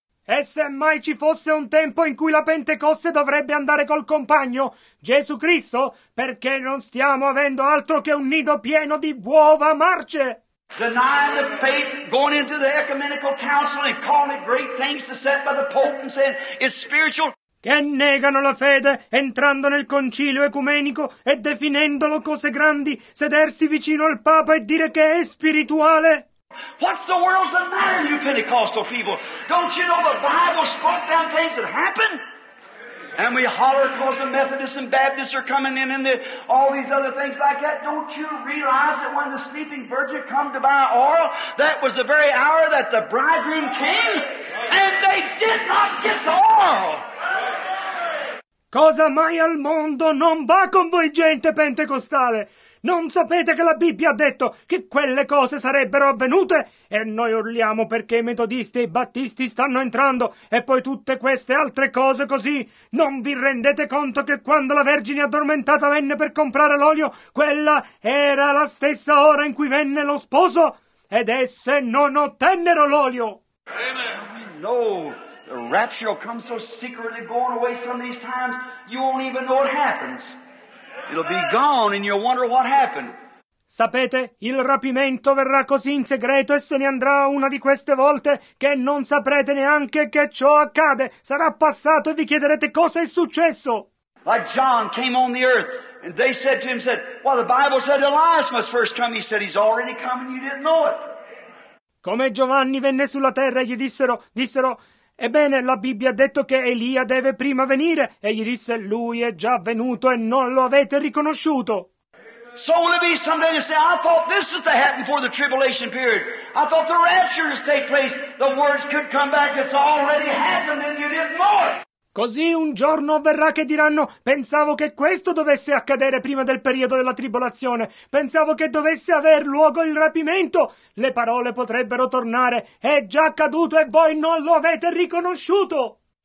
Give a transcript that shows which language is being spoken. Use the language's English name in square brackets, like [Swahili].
[Italian] E se mai ci fosse un tempo in cui la Pentecoste dovrebbe andare col compagno, Gesù Cristo, perché non stiamo avendo altro che un nido pieno di uova marce? [English] Denying the faith, going into the ecumenical council and calling it great things to set by the Pope and saying it's spiritual. [Italian] Che negano la fede entrando nel concilio ecumenico e definendolo cose grandi, sedersi vicino al Papa e dire che è spirituale. [English] What's the world's the matter, you Pentecostal people? Don't you know the Bible spoke down things that happened? And we holler because the Methodists and Baptists are coming in and all these other things like that. Don't you realize that when the sleeping virgin come to buy oil, that was the very hour that the bridegroom came and they did not get the oil? [Italian] Cosa mai al mondo non va con voi gente pentecostale? Non sapete che la Bibbia ha detto che quelle cose sarebbero avvenute? E noi urliamo perché i metodisti e i battisti stanno entrando e poi tutte queste altre cose così. Non vi rendete conto che quando la Vergine addormentata venne per comprare l'olio, quella era la stessa ora in cui venne lo sposo ed esse non ottennero l'olio? Amen. No. [English] The rapture will come so secretly going away some of these times, you won't even know it happens. It'll be gone and you'll wonder what happened. [Italian] Sapete, il rapimento verrà così in segreto e se ne andrà una di queste volte che non saprete neanche che ciò accade. Sarà passato e vi chiederete cosa è successo. [English] Like John came on the earth and they said to him, said, well, the Bible said Elias must first come. He said, he's already come and you didn't know it. [Italian] Come Giovanni venne sulla terra e gli dissero, ebbene, la Bibbia ha detto che Elia deve prima venire, e gli disse, lui è già venuto e non lo avete riconosciuto. [English] So will it be someday to say, I thought this is to happen before the tribulation period. I thought the rapture would take place, the words could come back, it's already happened and you didn't know it. [Italian] Così un giorno avverrà che diranno, pensavo che questo dovesse accadere prima del periodo della tribolazione, pensavo che dovesse aver luogo il rapimento. Le parole potrebbero tornare, è già accaduto e voi non lo avete riconosciuto.